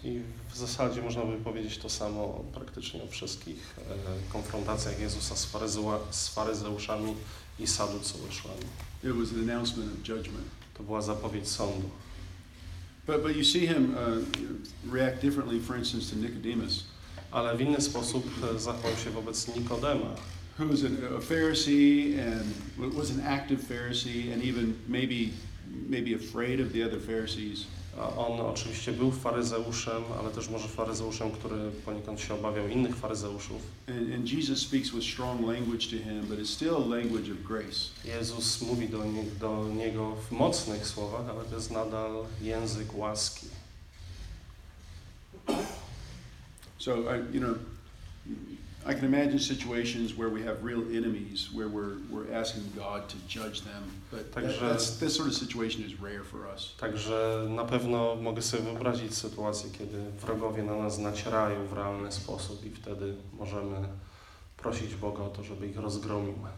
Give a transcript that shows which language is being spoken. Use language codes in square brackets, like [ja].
[pl] I w zasadzie można by powiedzieć to samo praktycznie o wszystkich konfrontacjach Jezusa z faryzeuszami i saduceuszami. [en] It was an announcement of judgment. [pl] To była zapowiedź sądu. [en] But you see him react differently, for instance, to Nicodemus. [pl] Ale w inny sposób zachował się wobec Nikodema. [en] Who was a Pharisee and was an active Pharisee and even maybe afraid of the other Pharisees. [pl] On oczywiście był faryzeuszem, ale też może faryzeuszem, który poniekąd się obawiał innych faryzeuszów. [en] And Jesus speaks with strong language to him, but it's still a language of grace. [pl] Jezus mówi do niego w mocnych słowach, ale to jest nadal język łaski. [en] So I can imagine situations where we have real enemies, where we're asking God to judge them. But [pl] także, [en] this sort of situation is rare for us. [pl] Także na pewno mogę sobie wyobrazić sytuację, kiedy wrogowie na nas nacierają w realny sposób i wtedy możemy prosić Boga o to, żeby ich rozgromił.